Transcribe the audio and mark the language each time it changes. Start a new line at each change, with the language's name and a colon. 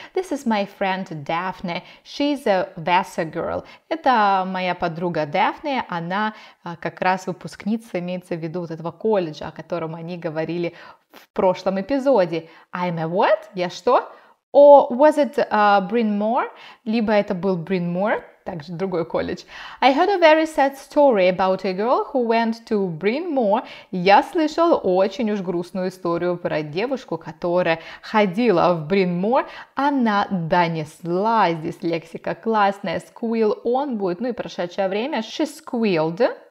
English: This is my friend Daphne, she's a Vassar girl.
Russian: Это моя подруга Daphne, она как раз выпускница, имеется в виду вот этого колледжа, о котором они говорили в прошлом эпизоде.
English: I'm a what?
Russian: Я что?
English: Or was it Bryn Mawr?
Russian: Либо это был Bryn Mawr. Также другой колледж.
English: I heard a very sad story about a girl who went to Bryn Mawr.
Russian: Я слышал очень уж грустную историю про девушку, которая ходила в Bryn Mawr. Она донесла, здесь лексика классная, squeal on будет, ну и прошедшее время,
English: she squealed.